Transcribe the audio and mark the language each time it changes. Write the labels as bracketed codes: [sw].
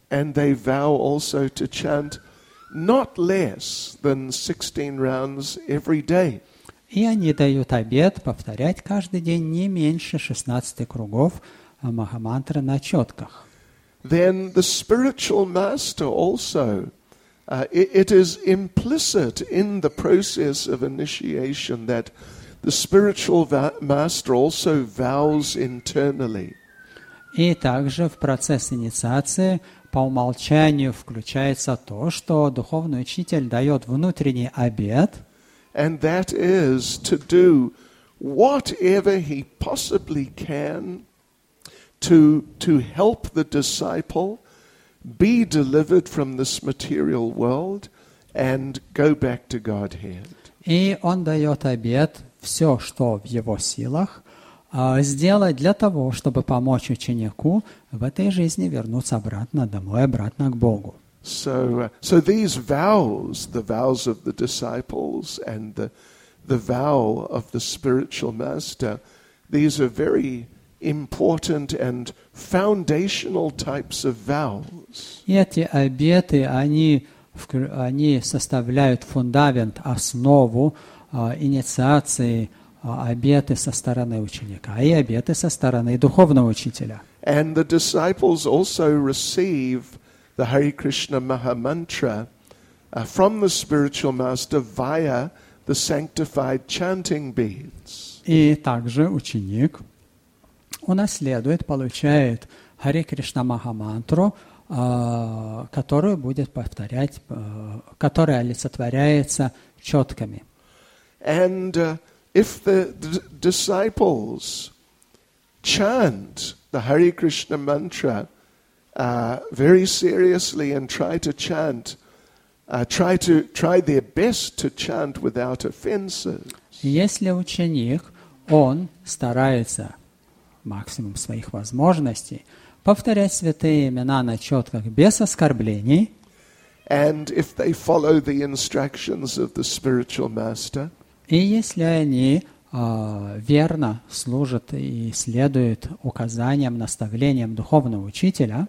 [en] And they vow also to chant not less than 16 rounds every day. [ru] И они дают обет повторять каждый день не меньше 16 кругов Махамантры на четках. [en] Then the spiritual master also, it is implicit in the process of initiation that the spiritual master also vows internally. [ru] И также в процесс инициации по умолчанию включается то, что духовный учитель дает внутренний обет. [en] And that is to do whatever he possibly can to help the disciple be delivered from this material world and go back to Godhead. [ru] И он дает обет все, что в его силах, сделать для того, чтобы помочь ученику в этой жизни вернуться обратно домой, обратно к Богу. [en] So these vows, the vows of the disciples and the vow of the spiritual master, these are very important and foundational types of vows. [ru] Эти обеты, они составляют фундамент, основу инициации обеты со стороны ученика и обеты со стороны духовного учителя. [en] And the disciples also receive the Hare Krishna Maha Mantra from the spiritual master via the sanctified chanting beads. [ru] И также ученик унаследует, получает Hare Krishna Maha Mantra, которую будет повторять, которая олицетворяется четками. [en] And if the disciples chant the Hare Krishna Mantra very seriously and try to chant, try their best to chant without offenses. [ru] Если ученик, он старается максимум своих возможностей повторять святые имена на четках без оскорблений. [en] And if they follow the instructions of the spiritual master. [ru] И если они верно служат и следуют указаниям, наставлениям духовного учителя.